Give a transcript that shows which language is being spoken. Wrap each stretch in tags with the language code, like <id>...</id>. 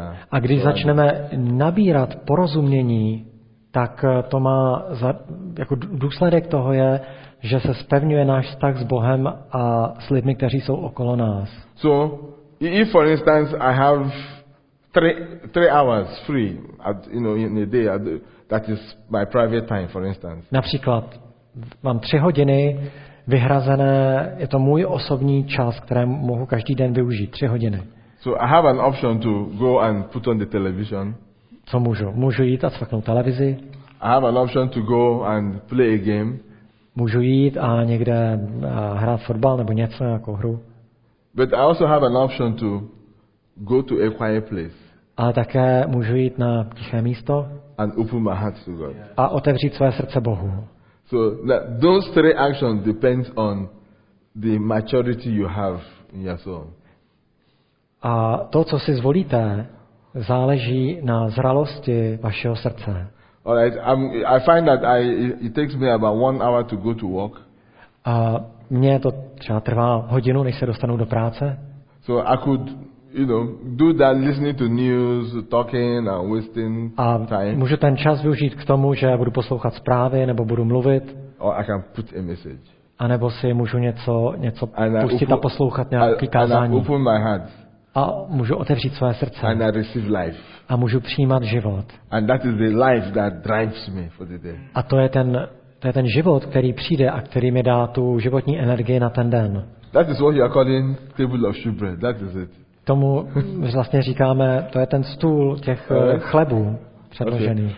<cs>A když začneme nabírat porozumění, tak to má jako důsledek toho je, že se zpevňuje náš vztah s Bohem a s lidmi, kteří jsou okolo nás.</cs> <en>So, if for instance I have three hours free at, you know, in a day, that is my private time, for instance.</en> <cs>Například mám 3 hodiny vyhrazené, je to můj osobní čas, které mohu každý den využít, 3 hodiny.</cs> <en>So I have an option to go and put on the television.</en> <cs>Co můžu? Můžu jít a cvaknout televizi.</cs> <en>I have an option to go and play a game.</en> <cs>Můžu jít a někde hrát fotbal nebo něco, jako hru.</cs> <en>But I also have an option to go to a quiet place.</en> <cs>Ale také můžu jít na tiché místo.</cs> <en>And open my heart to God.</en> <cs>A otevřít své srdce Bohu.</cs> <en>So those three actions depend on the maturity you have in your soul.</en> <cs>A to, co si zvolíte, záleží na zralosti vašeho srdce.</cs> <en>All right, I find that it takes me about 1 hour to go to work.</en> <cs>A mně to třeba trvá hodinu, než se dostanu do práce.</cs> <en>So I could you know, do that listening to news, talking and wasting time.</en> <cs>Můžu ten čas využít k tomu, že budu poslouchat zprávy nebo budu mluvit.</cs> <en>Or I can put a message.</en> <cs>A nebo si můžu něco pustit a poslouchat nějaký kázání.</cs> <en>Open my heart.</en> <cs>A můžu otevřít své srdce.</cs> <en>And I receive life.</en> <cs>A můžu přijímat život.</cs> <en>And that is the life that drives me for the day.</en> <cs>A to je ten život, který přijde a který mi dá tu životní energii na ten den.</cs> <en>That is what you are calling table of shewbread. That is it.</en> <cs>Tomu vlastně říkáme, to je ten stůl těch chlebů předložený.</cs>